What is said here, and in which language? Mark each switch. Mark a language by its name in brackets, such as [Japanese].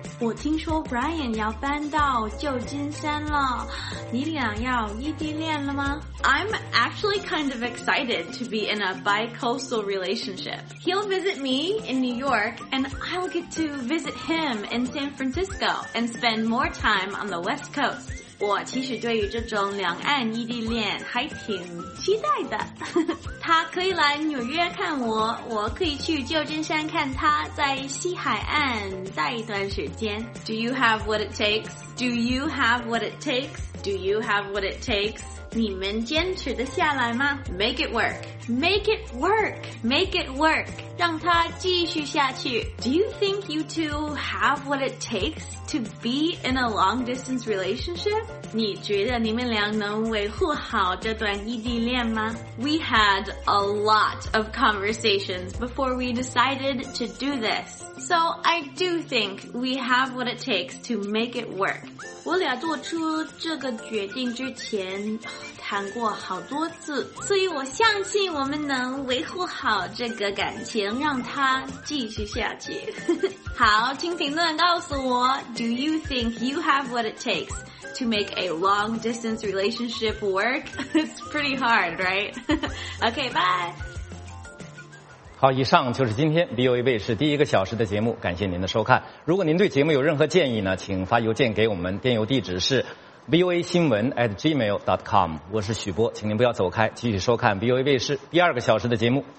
[Chinese] 我听说 Brian 要搬到旧金山了，你俩要异地恋了吗？ [English] I'm actually kind of excited to be in a bi-coastal relationship. He'll visit me in New York, and I'll get to visit him in San Francisco and spend more time on the West Coast. [Chinese] 我其实对于这种两岸异地恋还挺期待的。他可以来纽约看我，我可以去旧金山看他，在西海岸待一段时间。 [English] Do you have what it takes? Do you have what it takes? Do you have what it takes? [Chinese] 你们坚持得下来吗？ [English] Make it work. Make it work. Make it work. [Chinese] 让他继续下去。 [English] Do you think you two have what it takes? To be in a long-distance relationship? [Chinese] 你觉得你们俩能维护好这段异地恋吗? [English] We had a lot of conversations before we decided to do this. So I do think we have what it takes to make it work. [Chinese] 我俩做出这个决定之前，谈过好多次，所以我相信我们能维护好这个感情，让它继续下去。好，请评论告诉我 [English] Do you think you have what it takes to make a long distance relationship work? It's pretty hard, right? Okay, bye. [Chinese] 好，以上就是今天 BOA 卫视第一个小时的节目，感谢您的收看。如果您对节目有任何建议呢，请发邮件给我们，电邮地址是voa新闻@gmail.com。我是许波，请您不要走开，继续收看 BOA 卫视第二个小时的节目。